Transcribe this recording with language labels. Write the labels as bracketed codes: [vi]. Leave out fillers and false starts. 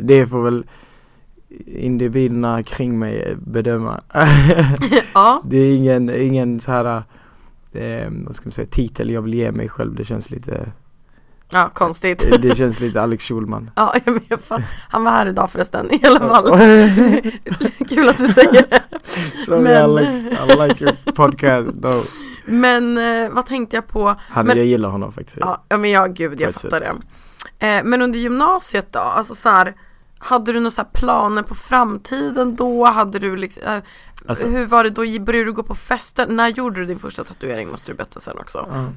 [sv] Det får väl individerna kring mig bedöma. Ja. Det är ingen så här... vad ska man säga, titel jag vill ge mig själv. Det känns lite... Ja, konstigt. Det känns lite Alex Schulman. Ja, men fan, han var här idag förresten. I alla fall. Kul att du säger det. Sorry, men... [en] Alex, I like your podcast though. [sv] Men vad tänkte jag på? Jag gillar honom faktiskt. Ja, men jag fattar det. Men under gymnasiet då, alltså så här, hade du några planer på framtiden då? Hade du liksom, alltså, hur var det då? Började du gå på fester? När gjorde du din första tatuering, måste du berätta sen också.